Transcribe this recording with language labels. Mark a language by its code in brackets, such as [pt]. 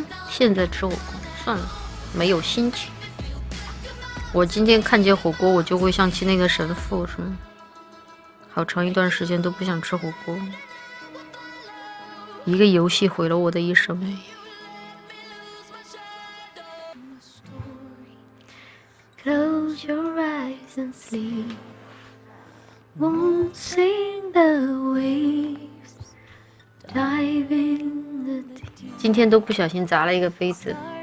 [zh] 现在吃火锅算了，没有心情。我今天看见火锅我就会想起那个神父，什么好长一段时间都不想吃火锅，一个游戏毁了我的一生。 [en] Close your eyes and sleep, won't sing the waves, dive in the deep. [zh] 今天都不小心砸了一个杯子。